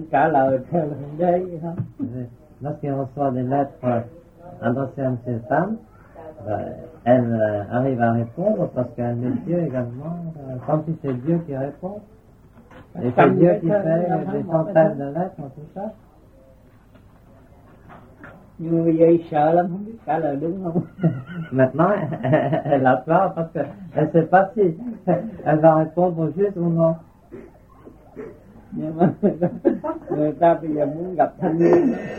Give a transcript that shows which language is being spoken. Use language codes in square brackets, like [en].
[fr] Lorsqu'elle reçoit des lettres adressées à M. Tam, elle arrive à répondre parce qu'elle est Dieu également, comme si c'est Dieu qui répond. Et c'est Dieu qui fait des centaines de lettres, tout ça. [vi] Nhưng bây giờ sợ lắm, không biết trả lời đúng không. [fr] Maintenant, elle a peur parce qu'elle ne sait pas si elle va répondre juste ou non. [vi] Nhưng mà người ta bây giờ muốn gặp Thanh Nguyên.